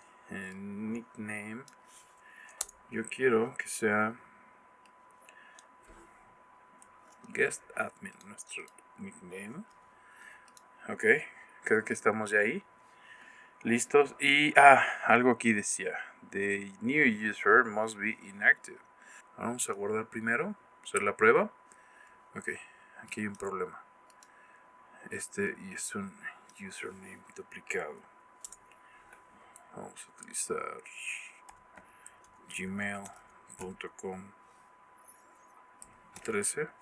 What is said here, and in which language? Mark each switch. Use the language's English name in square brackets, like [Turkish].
[English] Nickname. [Spanish] Yo quiero que sea Guest Admin, nuestro nickname. Ok, creo que estamos ya ahí. Listos. Y, algo aquí decía. [English] The new user must be inactive. [Spanish] Vamos a guardar primero, hacer la prueba. Ok, aquí hay un problema. Este es un username duplicado. Vamos a utilizar gmail.com 13.